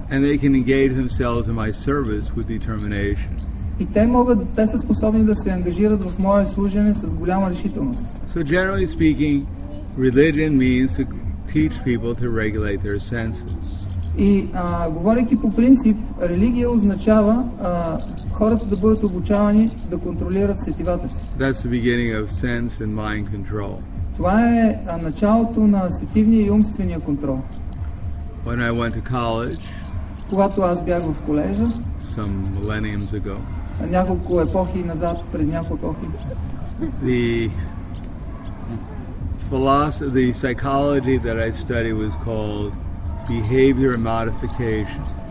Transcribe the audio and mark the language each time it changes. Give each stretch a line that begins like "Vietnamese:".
English: And they can engage themselves in my service with determination.
Bulgarian: И те могат, те са способни да се ангажират в мое служене с голяма решителност.
English: So generally speaking, religion means to teach people to regulate their senses.
Bulgarian: И говорейки по принцип, религия означава хората да бъдат обучавани да контролират сетивата си.
English: That's the beginning of sense and mind control.
Bulgarian: Това е началото на сетивния и умствения контрол.
English: When I went to college,
Bulgarian: когато аз бях в колежа,
English: some millenniums ago,
Bulgarian: няколко епохи назад, пред няколко епохи,
English: the philosophy, the psychology that I studied was called behavior modification.